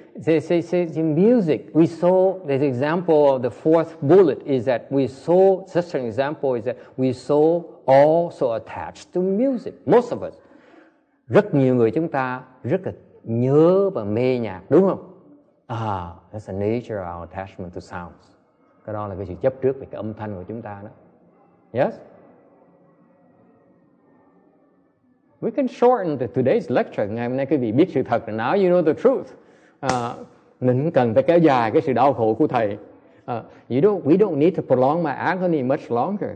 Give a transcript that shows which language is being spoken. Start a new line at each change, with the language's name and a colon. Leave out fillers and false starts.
English: The music, we saw the example of the fourth bullet is that we saw also attached to music. Most of us.
Vietnamese: Rất nhiều người chúng ta rất là nhớ và mê nhạc, đúng không?
English: That's the nature of our attachment to sounds.
Vietnamese: Cái đó là cái sự chấp trước về cái âm thanh của chúng ta đó. Yes?
English: We can shorten today's lecture.
Vietnamese: Ngày hôm nay quý vị biết sự thật.
English: Now you know the truth.
Vietnamese: Mình cần phải kéo dài cái sự đau khổ của thầy.
English: We don't need to prolong my agony much longer.